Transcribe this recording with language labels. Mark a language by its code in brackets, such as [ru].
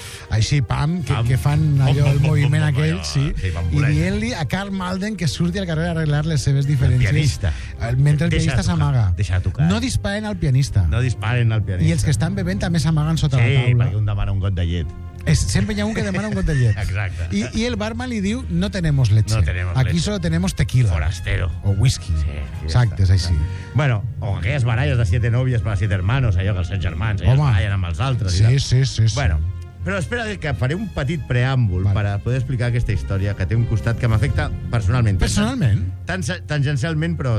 [ca] Així, pam, que fan allò, el moviment aquell, sí, i dient-li a Carl Malden que surti al carrer a arreglar les seves diferències. El pianista. Mentre el pianista s'amaga. Deixa de tocar. No disparen al pianista. No disparen al pianista. I els que estan bevent també s'amaguen sota la taula. Sí, perquè un demana un got de llet. Sempre hi ha un que demana un got de llet. Exacte. I el barman li diu, [es] no tenemos leche. No tenemos leche. Aquí solo tenemos tequila. Forastero. O whisky. [ca] Sí. Exacte, és així. Bueno, o aquelles baralles de [es] siete novias para siete hermanos, [ca] allò que els set germans, allò es barallen amb els altres. Sí, sí, sí, sí. Bueno, però espera que faré un petit preàmbul per poder explicar aquesta història que té un costat que m'afecta personalment. Personalment? Tangencialment, però